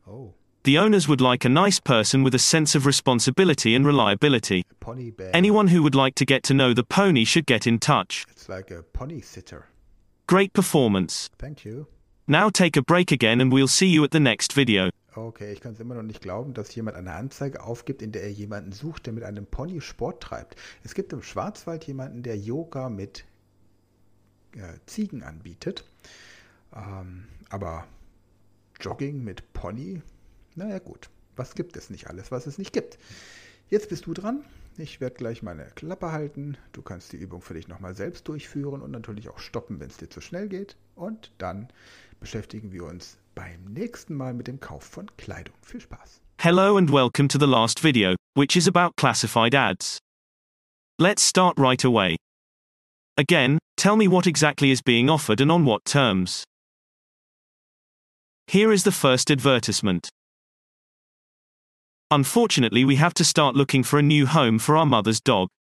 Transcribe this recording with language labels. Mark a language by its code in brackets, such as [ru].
[en] Oh. The owners would like a nice person with a sense of responsibility and reliability. A pony bear. Anyone who would like to get to know the pony should get in touch. It's like a pony sitter. Great performance. Thank you. Now take a break again and we'll see you at the next video. [de] Okay, ich kann es immer noch nicht glauben, dass jemand eine Anzeige aufgibt, in der er jemanden sucht, der mit einem Pony Sport treibt. Es gibt im Schwarzwald jemanden, der Yoga mit Ziegen anbietet. Aber Jogging mit Pony? Naja gut, was gibt es nicht alles, was es nicht gibt? Jetzt bist du dran. Ich werde gleich meine Klappe halten. Du kannst die Übung für dich nochmal selbst durchführen und natürlich auch stoppen, wenn es dir zu schnell geht. Und dann beschäftigen wir uns beim nächsten Mal mit dem Kauf von Kleidung. Viel Spaß. [en] Hello and welcome to the last video, which is about classified ads. Let's start right away. Again, tell me what exactly is being offered and on what terms. Here is the first advertisement. Unfortunately, we have to start looking for a new home for our mother's dog.